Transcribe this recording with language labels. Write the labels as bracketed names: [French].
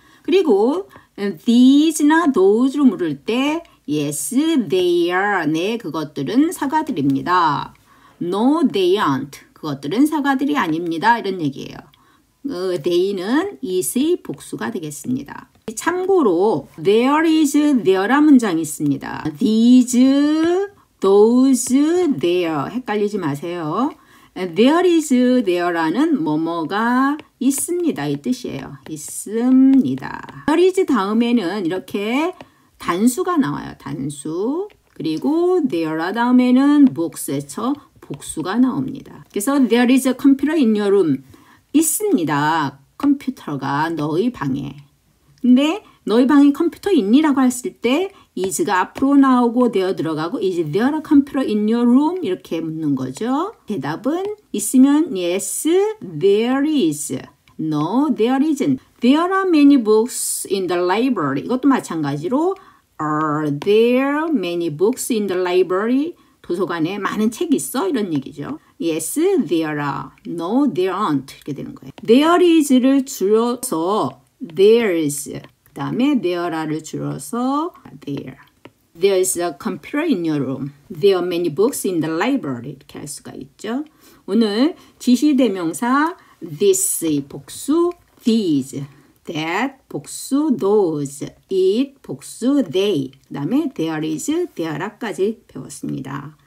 [Korean] 그리고 these나 those로 물을 때 [English] Yes, they are. [Korean] 네, 그것들은 사과들입니다. [English] No, they aren't. [Korean] 그것들은 사과들이 아닙니다. 이런 얘기예요. they는 is의 복수가 되겠습니다. 참고로 there is there 문장이 있습니다. These, those, there 헷갈리지 마세요. There is there라는 뭐뭐가 있습니다. 이 뜻이에요. 있습니다. There is 다음에는 이렇게 단수가 나와요. 단수. 그리고 there 다음에는 복수에서 복수가 나옵니다. 그래서 [English] there is a computer in your room. [Korean] 있습니다. 컴퓨터가 너희 방에. 근데 너희 방에 컴퓨터 있니? 라고 했을 때 is가 앞으로 나오고 there 들어가고 [English] is there a computer in your room? [Korean] 이렇게 묻는 거죠. 대답은 있으면 [English] yes, there is. No, there isn't. There are many books in the library. [Korean] 이것도 마찬가지로 [English] are there many books in the library? [Korean] 도서관에 많은 책 있어? 이런 얘기죠. [English] Yes, there are. No, there aren't. [Korean] 이렇게 되는 거예요. There is를 줄여서 there's. 그 다음에 there are를 줄여서 there. [English] There's a computer in your room. There are many books in the library. [Korean] 이렇게 할 수가 있죠. 오늘 지시대명사 this 복수, these, that 복수, those, it 복수, they. 그 다음에 there is, there are까지 배웠습니다.